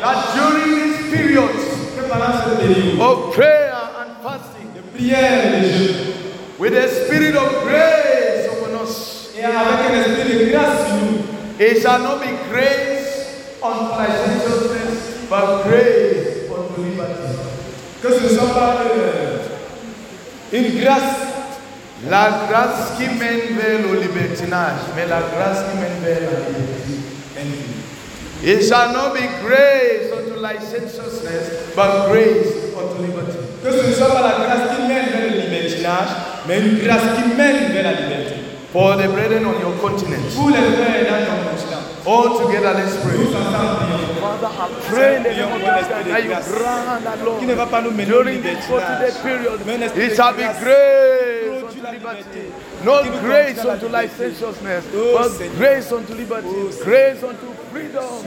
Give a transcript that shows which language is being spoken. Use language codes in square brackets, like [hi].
[en] That during this period of prayer and fasting, [fr] de prière et de jeûne, [en] with the spirit of grace upon us, [fr] et avec un esprit de grâce sur nous, [en] it shall not be grace unto righteousness, but grace unto liberty. [fr] Que ce ne soit pas une grâce. La grâce qui mène vers le libertinage, mais la grâce qui mène vers la liberté. [en] It shall not be grace unto licentiousness, but grace unto liberty. [fr] Que ce ne soit pas la grâce qui mène vers le libertinage, mais une grâce qui mène vers la liberté. [en] For the brethren on your continent. [fr] Pour les frères dans ton continent. [en] All together, let's pray. Father, I pray in the name of Jesus that you grant that, Lord, during this 40-day period, it shall be grace unto liberty. Not grace unto licentiousness, but grace unto liberty, grace unto freedom.